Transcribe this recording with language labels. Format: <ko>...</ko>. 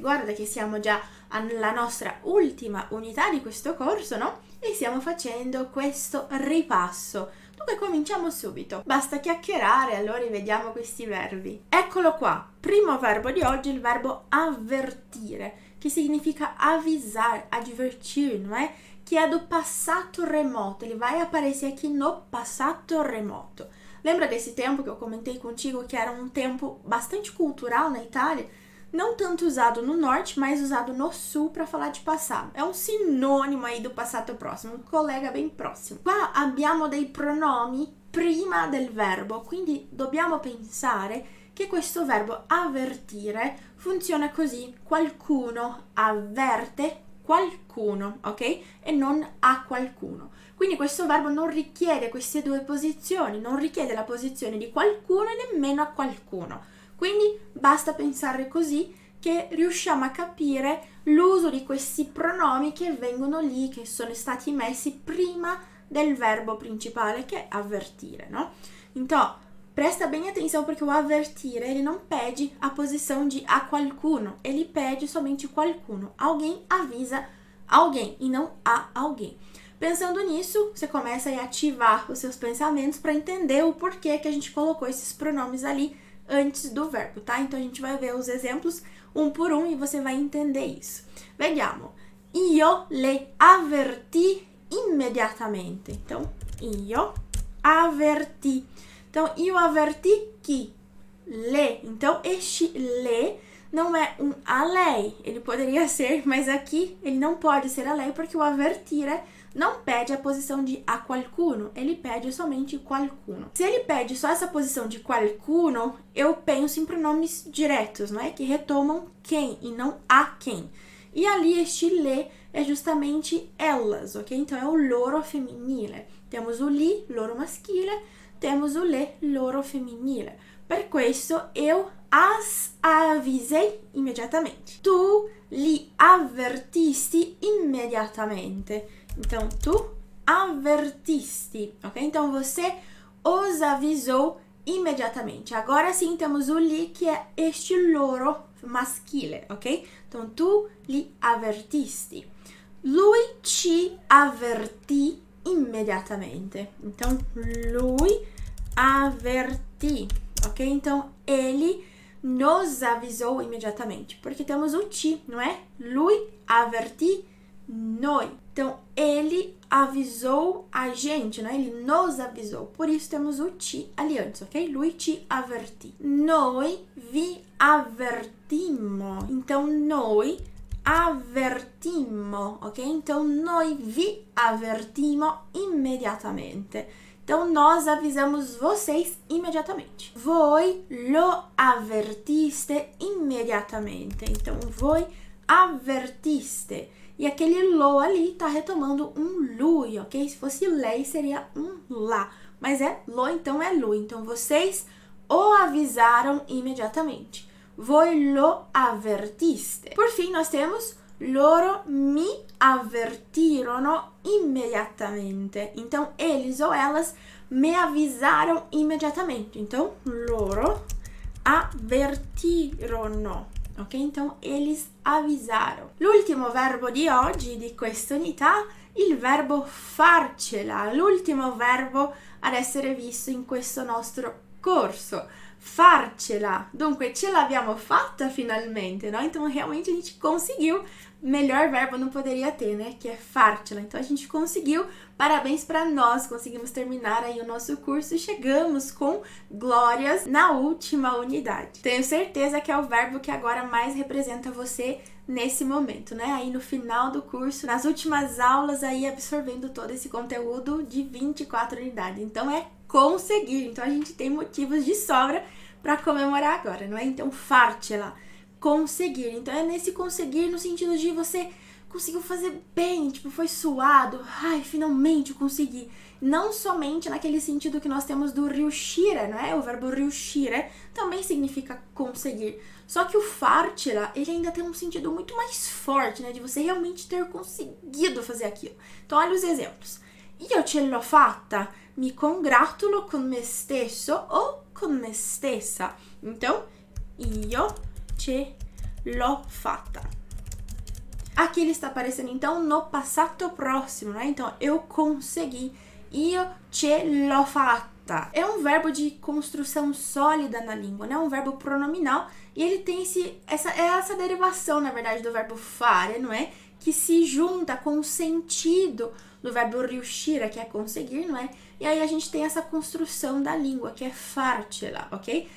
<it>Guarda che siamo già alla nostra ultima unità di questo corso, no? E stiamo facendo questo ripasso. Dunque, cominciamo subito. Basta chiacchierare, allora vediamo questi verbi. Eccolo qua, primo verbo di oggi, il verbo avvertire, che significa avvisare, advertir, no? Che ha do passato remoto,</it> <pt>ele vai aparecer aqui no passato remoto. Lembra desse tempo que eu comentei contigo que era um tempo bastante cultural na Itália? Não tanto usado no norte, mas usado no sul para falar de passado. É um sinônimo aí do passato próximo, um colega bem próximo.</pt> <it>Qua abbiamo dei pronomi prima del verbo, quindi dobbiamo pensare che questo verbo avvertire funziona così: qualcuno avverte qualcuno, ok? E non a qualcuno. Quindi questo verbo non richiede queste due posizioni, non richiede la posizione di qualcuno e nemmeno a qualcuno. Quindi basta pensare così che riusciamo a capire l'uso di questi pronomi che vengono lì, che sono stati messi prima del verbo principale che è avvertire, no?</it> <pt>Então,</pt> <it>presta bene attenzione perché</it> <pt>o avvertire ele non pede a posição de a qualcuno, ele pede somente qualcuno. Alguém avisa alguém e não a alguém. Pensando nisso, você começa a ativar os seus pensamentos para entender o porquê que a gente colocou esses pronomes ali antes do verbo, tá? Então a gente vai ver os exemplos um por um e você vai entender isso.</pt> <it>Vediamo. Io le avverti immediatamente. Então, io avverti. Então, io avverti chi? Le.</it> <pt>Então, este le não é um a lei. Ele poderia ser, mas aqui ele não pode ser a lei porque o avvertire não pede a posição de a qualcuno, ele pede somente qualcuno. Se ele pede só essa posição de qualcuno, eu penso em pronomes diretos, não é? Que retomam quem e não a quem. E ali este le é justamente elas, ok? Então, é o loro femminile. Temos o li, loro maschile. Temos o le loro femminile.</pt> <it>Per questo</it> <pt>eu as avvisei imediatamente.</pt> <it>Tu li avvertisti imediatamente. Então, tu avvertisti, ok?</it> <pt>Então, você os avisou imediatamente. Agora sim, temos o li que é este loro maschile, ok?</pt> <it>Então, tu li avvertisti. Lui ci avvertì imediatamente. Então, lui avverti, ok?</it> <pt>Então, ele nos avisou imediatamente, porque temos o ti, não é?</pt> <it>Lui avverti noi.</it> <pt>Então, ele avisou a gente, não é? Ele nos avisou. Por isso, temos o ti ali antes, ok?</pt> <it>Lui ci avverti. Noi vi avvertimmo. Então, noi avvertimmo, ok? Então, noi vi avvertimmo imediatamente.</it> <pt>Então, nós avisamos vocês imediatamente.</pt> <it>Voi lo avvertiste imediatamente. Então, voi avvertiste.</it> <pt>E aquele lo ali está retomando um lui, ok? Se fosse lei, seria um la. Mas é lo, então é lui. Então, vocês o avisaram imediatamente.</pt> <it>Voi lo avvertiste.</it> <pt>Por fim, nós temos</pt> <it>loro mi avvertirono imediatamente.</it> <pt>Então, eles ou elas me</pt> <it>avvisarono immediatamente. Então, loro avvertirono. Ok?</it> <pt>Então, eles avvisarono.</pt> <it>L'ultimo verbo di oggi, di questa unità, il verbo farcela. L'ultimo verbo ad essere visto in questo nostro corso. Farcela. Dunque, ce l'abbiamo fatta finalmente, no?</it> <pt>Então, realmente a gente conseguiu. Melhor verbo não poderia ter, né? Que é farcela. Então a gente conseguiu. Parabéns para nós. Conseguimos terminar aí o nosso curso e chegamos com glórias na última unidade. Tenho certeza que é o verbo que agora mais representa você nesse momento, né? Aí no final do curso, nas últimas aulas, aí absorvendo todo esse conteúdo de 24 unidades. Então é conseguir. Então a gente tem motivos de sobra para comemorar agora, não é? Então farcela. Conseguir. Então é nesse conseguir no sentido de você conseguiu fazer bem, tipo, foi suado, ai, finalmente eu consegui. Não somente naquele sentido que nós temos do riuscire, não é? O verbo riuscire também significa conseguir. Só que o farcela, ele ainda tem um sentido muito mais forte, né? De você realmente ter conseguido fazer aquilo. Então, olha os exemplos.</pt> <it>io ce l'ho fatta, mi congratulo con me stesso o con me stessa. Então, io ce l'ho fatta. A chi gli sta parecendo?</it> <pt>Então, no passato prossimo, né? Então, eu consegui,</pt> <it>io ce l'ho fatta.</it> <pt>Tá. É um verbo de construção sólida na língua, né? Um verbo pronominal e ele tem essa derivação, na verdade, do verbo fare, não é? Que se junta com o sentido do verbo riuscire, que é conseguir, não é? E aí a gente tem essa construção da língua, que é farcela, ok?</pt>